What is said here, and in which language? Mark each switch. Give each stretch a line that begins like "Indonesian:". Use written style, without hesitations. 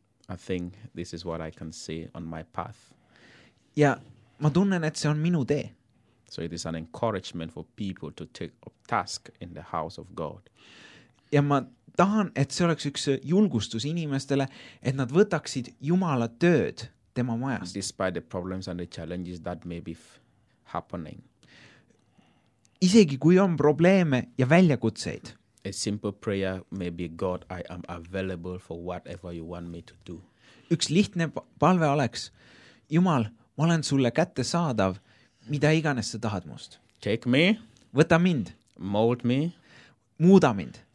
English: I think this is what I can see on my path.
Estonian: Ja ma tunnen, et see on minu tee.
English: So it is an encouragement for people to take up task in the house of God.
Estonian: Ja ma tahan, et see oleks üks julgustus inimestele, et nad võtaksid Jumala tööd tema majast.
English: Despite the problems and the challenges that may be happening.
Estonian: Isegi kui on probleeme ja väljakutseid.
English: A simple prayer may be, God, I am available for whatever you want me to do.
Estonian: Üks lihtne palve oleks, Jumal, ma olen sulle kätte saadav, mida iganes sa tahad must.
English: Take me.
Estonian: Võta mind.
English: Mold me.
Estonian: Muuda mind.